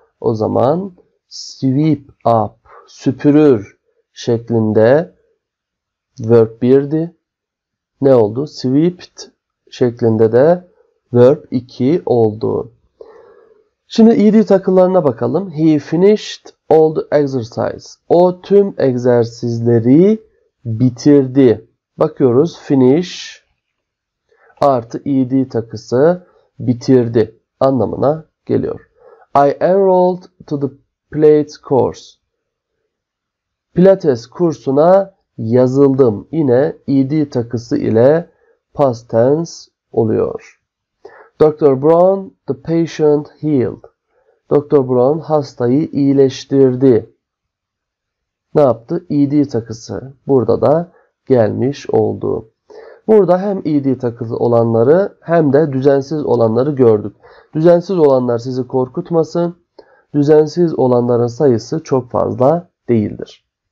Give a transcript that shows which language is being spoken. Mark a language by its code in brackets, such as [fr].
[tr] O zaman sweep up, süpürür şeklinde verb 1'di. Ne oldu? Sweeped şeklinde de verb 2 oldu. Şimdi ed takılarına bakalım. [en] He finished all the exercise. [tr] O tüm egzersizleri bitirdi. Bakıyoruz, finish artı ed takısı bitirdi anlamına geliyor. [en] I enrolled to the Pilates course. [tr] Pilates kursuna yazıldım. Yine ed takısı ile past tense oluyor. [en] Dr. Brown, the patient healed. Dr. [tr] Brown hastayı iyileştirdi. Ne yaptı? ED takısı. Burada da gelmiş oldu. Burada hem ED takısı olanları hem de düzensiz olanları gördük. Düzensiz olanlar sizi korkutmasın. Düzensiz olanların sayısı çok fazla değildir.